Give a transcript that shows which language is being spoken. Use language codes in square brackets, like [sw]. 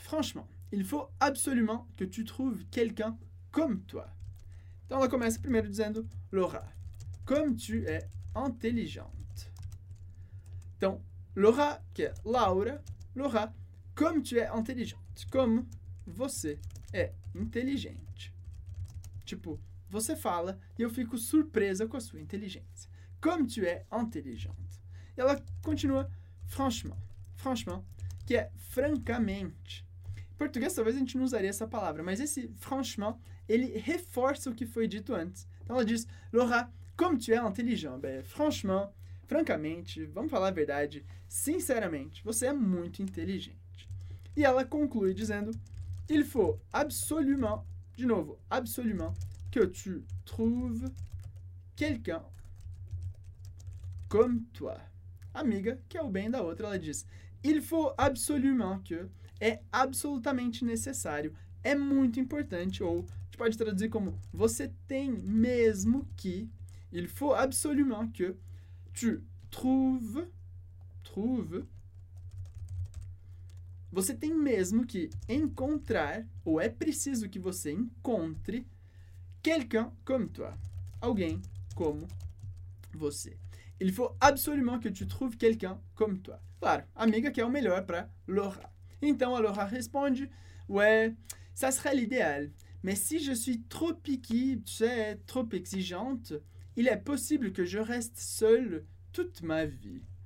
[fr] Franchement, il faut absolument que tu trouves quelqu'un comme toi. [pt] Então, ela começa primeiro dizendo: Laura, [fr] comme tu es intelligente. [pt] Então, Laura, que é Laura, Laura, [fr] comme tu es intelligente. [pt] Como você é inteligente. Tipo, você fala e eu fico surpresa com a sua inteligência. [fr] Comme tu es intelligente. [pt] E ela continua, [fr] franchement. [pt] Franchement, que é francamente. Em português, talvez a gente não usaria essa palavra, mas esse franchement, ele reforça o que foi dito antes. Então, ela diz, Laura, [fr] comme tu es intelligente. Ben, franchement, [pt] francamente, vamos falar a verdade, sinceramente, você é muito inteligente. E ela conclui dizendo, [fr] il faut absolument, [pt] de novo, [fr] absolument, que tu trouves quelqu'un comme toi. [pt] Amiga, que é o bem da outra, ela diz, [fr] il faut absolument que, [pt] é absolutamente necessário, é muito importante, ou a gente pode traduzir como, você tem mesmo que, [fr] il faut absolument que tu trouves, [pt] você tem mesmo que encontrar, ou é preciso que você encontre, [fr] quelqu'un comme toi. [pt] Alguém como você. [fr] Il faut absolument que tu trouves quelqu'un comme toi. [pt] Claro, amiga que é o melhor para Laura. Então, a Laura responde, [fr] ouais, ça serait l'idéal. Mais si je suis trop picky, tu sais, trop exigeante, il est possible que je reste seule toute ma vie.